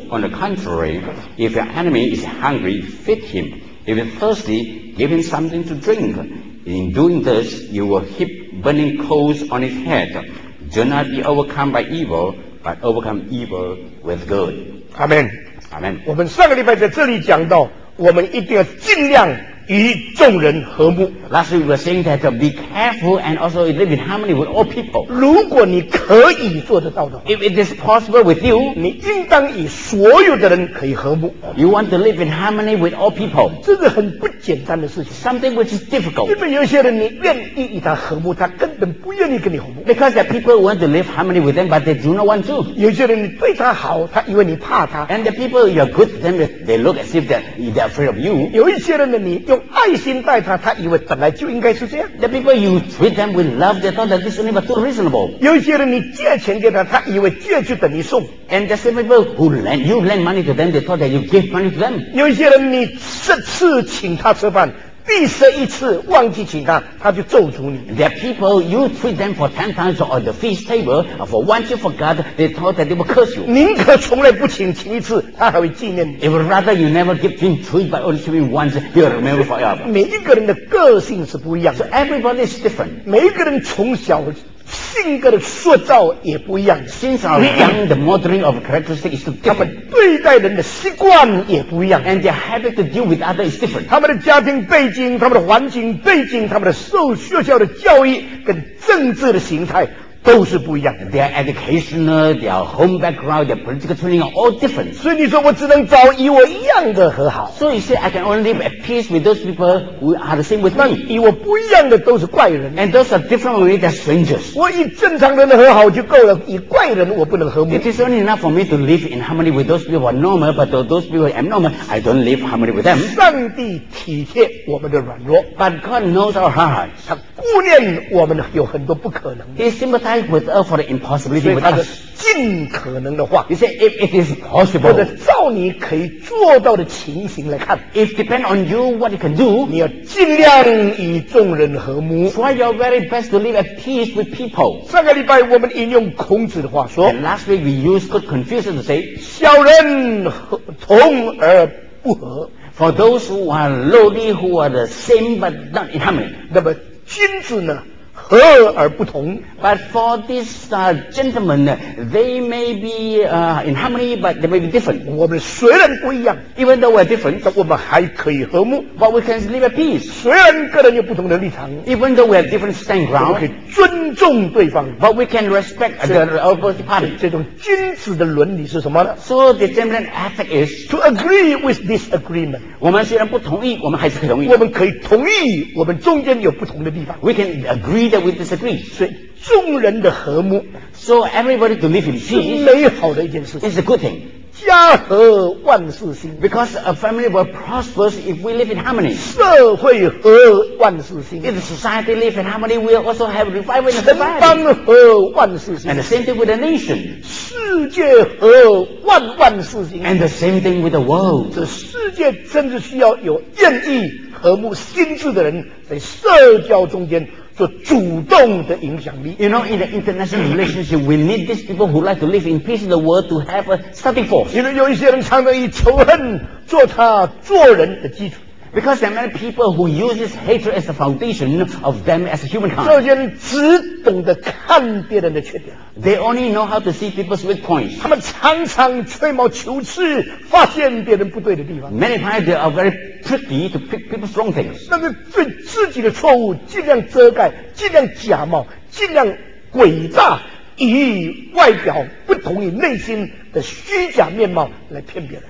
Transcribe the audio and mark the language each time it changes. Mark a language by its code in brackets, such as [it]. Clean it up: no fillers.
[en] On the contrary, if your enemy is hungry, feed him. If he is thirsty, give him something to drink. In doing this, you will heap burning coals on his head. Do not be overcome by evil, but overcome evil with good. Amen. Amen. [zh] 我们上个礼拜在这里讲到，我们一定要尽量与众人和睦。 [en] Last week we were saying that be careful and also live in harmony with all people. [zh] 如果你可以做得到的话 [en] ，If it is possible with you, [zh] 你应当与所有的人可以和睦。 [en] You want to live in harmony with all people. [zh] 这是很不简单的事情。 [en] Something which is difficult. [zh] 因为有些人你愿意与他和睦，他根本不愿意跟你和睦。 [en] Because the people want to live harmony with them, but they do not want to. [zh] 有些人你对他好，他以为你怕他。 [en] And the people you are good to them, they look as if they're afraid of you. [zh] 有一些人呢，你用爱心待他，他以为本来就应该是这样。 [en] The people you treat them with love, they thought that this is never too reasonable. [zh] 有些人你借钱给他，他以为借就等于送。 [en] And the same people who lend you lend money to them, they thought that you give money to them. [zh] 有些人你十次请他吃饭，第十一次忘记请他，他就咒诅你。 [en] There are people you treat them for 10 times on the feast table, for once you forgot, they thought that they will curse you. [zh] 宁可从来不请，请一次他还会纪念你。 [en] If rather you never give him treat, but only treat once, he'll remember forever. [zh] 每一个人的个性是不一样的。 [en] So everybody is different. [zh] 每一个人从小性格的塑造也不一样。 [en] Since our young, the modeling of characteristic is different. [zh] 他们对待人的习惯也不一样。 [en] And their habit to deal with others is different. [zh] 他们的家庭背景、他们的环境背景、他们的受学校的教育跟政治的形态都是不一样的。 [en] Their educational, their home background, their political training are all different. [zh] 所以你说我只能找与我一样的和好。 [en] So you say I can only live at peace with those people who are the same with me. [zh] 与我不一样的都是怪人。 [en] And those are different with me, they're strangers. [zh] 我与正常人的和好就够了，与怪人我不能和睦。 [en] It is only enough for me to live in harmony with those people who are normal, but those people who are abnormal, I don't live harmony with them. [zh] 上帝体贴我们的软弱。 [en] But God knows our hearts. [zh] 他顾念我们有很多不可能。 [en] He sympathizes. With us for the impossibility with us. [zh] 尽可能的话 [en] ，You say if it is possible， [zh] 或者照你可以做到的情形来看 [en] ，If depend on you what you can do， [zh] 你要尽量与众人和睦。 [en] Try your very best to live at peace with people。 [zh] 上个礼拜我们引用孔子的话说 [en] ，And last week we used good Confucius to say， [zh] 小人同而不和。 [en] For those who are lowly who are the same but not in harmony， [zh] 那么君子呢？和而不同 [en] ，But for these gentlemen, they may be in harmony, but they may be different. [zh] 我们虽然不一样 [en] ，even though we're different， [zh] 但我们还可以和睦 [en] ，but we can live at peace. [zh] 虽然个人有不同的立场 [en] ，even though we have different stand ground， [zh] 我们可以尊重对方 [en] ，but we can respect the opposite party. [zh] 这种君子的伦理是什么呢 [en] ？So the gentleman ethic is to agree with disagreement. [zh] 我们虽然不同意，我们还是可以同意。我们可以同意，我们中间有不同的地方。 [en] We can agree. That we disagree. [zh] 所以众人的和睦 [en] so everybody to live in peace [zh] 是美好的一件事情 [en] It's a good thing. [zh] 家和万事兴 [en] Because a family will prosper if we live in harmony. [zh] 社会和万事兴 [en] If society lives in harmony, we will also have revival in society. [zh] 城邦和万事兴 [en] And the same thing with the nation. [zh] 世界和万万事兴 [en] And the same thing with the world. [zh] 这世界真的需要有愿意和睦心智的人在社交中间做主动的影响力 [en] You know, in the international relationship We need these people who like to live in peace in the world To have a starting force You know, [zh] 有一些人常常以仇恨做他做人的基础 [en] Because there are many people who use hatred as the foundation of them as a humankind. [zh] 这些人只懂得看别人的缺点。 [en] They only know how to see people's weak points. [zh] 他们常常吹毛求疵，发现别人不对的地方。 [en] Many times they are very tricky to pick people's wrong things. [zh] 那个对自己的错误尽量遮盖，尽量假冒，尽量诡诈，以外表不同于内心的虚假面貌来骗别人。